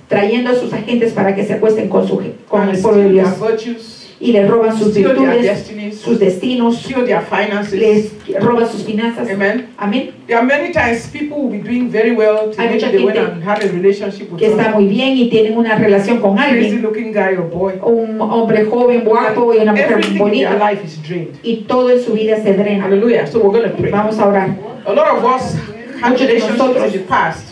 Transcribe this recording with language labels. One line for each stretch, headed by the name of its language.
Spanish: Trayendo a sus agentes para que se acuesten con su con el pueblo de Dios. Y le roban sus virtudes, sus destinos, les roban sus finanzas. Amen. Amen.
English: There are many times people will be doing very well to have a relationship with
Spanish: que está muy bien y tienen una relación con alguien. Un hombre joven, guapo y una mujer bonita.
English: Life is drained.
Spanish: Y todo en su vida se drena.
English: Hallelujah. So we're going to pray.
Spanish: Vamos a orar.
English: A lot of us had relationships in the past.